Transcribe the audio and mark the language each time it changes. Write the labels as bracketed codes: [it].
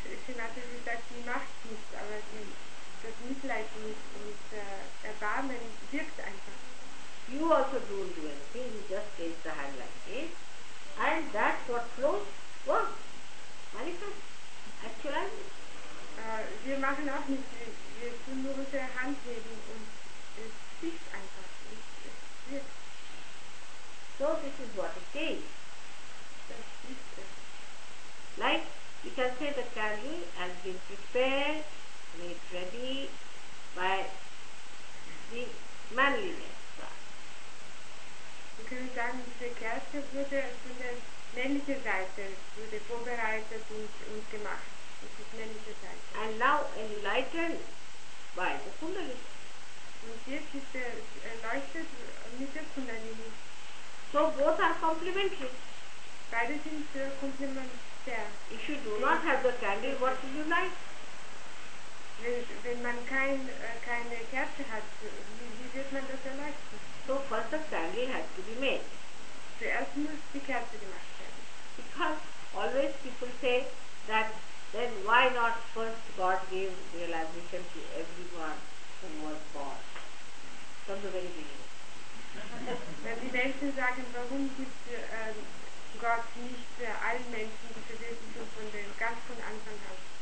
[de] Mataji sagt, sie macht nichts, aber sie, das Mitleid und Erbarmen wirkt einfach. [en] You also don't do anything, you just take the hand like this, and that's what flows, works, manifests, actually. [de] Wir machen auch nichts, wir tun nur unsere Hand heben und es fließt einfach, es wirkt. [en] So this is what it is. [de] Das ist es. [en] Like, you can say the candle has been prepared, made ready by the manliness part. You can say that the [de] Kerze wurde von der männlichen Seite wurde vorbereitet und gemacht. Das ist männliche Seite. [en] And now enlightened by the Kundalini. [de] Und jetzt ist er erleuchtet mit der Kundalini. [en] So both are complementary. [de] Beide sind complementary. Yeah. [en] If you do not have the candle, what will you like? [de] Wenn man keine Kerze hat, wie wird man das erleuchten? [en] So first the candle has to be made. [de] Zuerst muss die Kerze gemacht werden. [en] Because always people say that then why not first God gave realization to everyone who was born? From the very beginning. [de] Wenn die Menschen sagen, warum gibt Gott nicht allen Menschen diese Wesen von dem ganz von Anfang an.